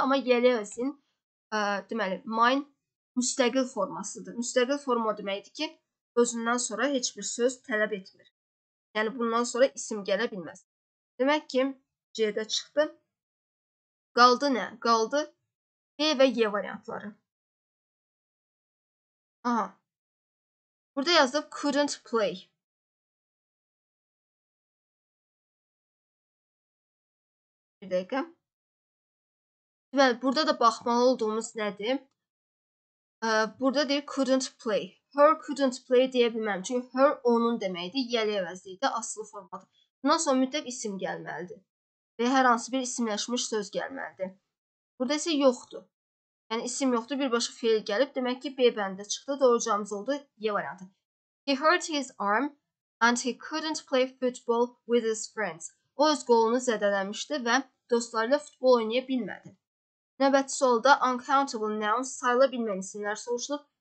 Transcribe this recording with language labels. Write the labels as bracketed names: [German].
[Azerbaijani] Amma yəli əvəzliyin, deməli, mine müstəqil formasıdır. Müstəqil forma deməkdir ki, özündən sonra heç bir söz tələb etmir. Yəni, bundan sonra isim gələ bilməz. Demək ki, C-də çıxdı. Qaldı nə? Qaldı B və Y variantları. Aha. Burada yazıb [English] couldn't play. [Azerbaijani] Bir dəqiqə. Deməli, burada da baxmalı olduğumuz nədir? Burada deyir [English] couldn't play. Her couldn't play [Azerbaijani] deyə bilməm. Çünki her onun deməkdir. Yəli əvəzliyidir. Asılı formadır. Bundan sonra mütləq isim gəlməlidir. Və hər hansı bir isimləşmiş söz gəlməlidir. Burada isə yoxdur. Yəni, isim yoxdur, birbaşa fiil gəlib. Demək ki, B bəndə çıxdı. Doğru cavabımız oldu Y variantı. [English] He hurt his arm and he couldn't play football with his friends. [Azerbaijani] O öz qolunu zədələmişdi və dostlarıyla futbol oynaya bilmədi. Növbəti sualda uncountable nouns sayıla bilmən isimlər soruşulub.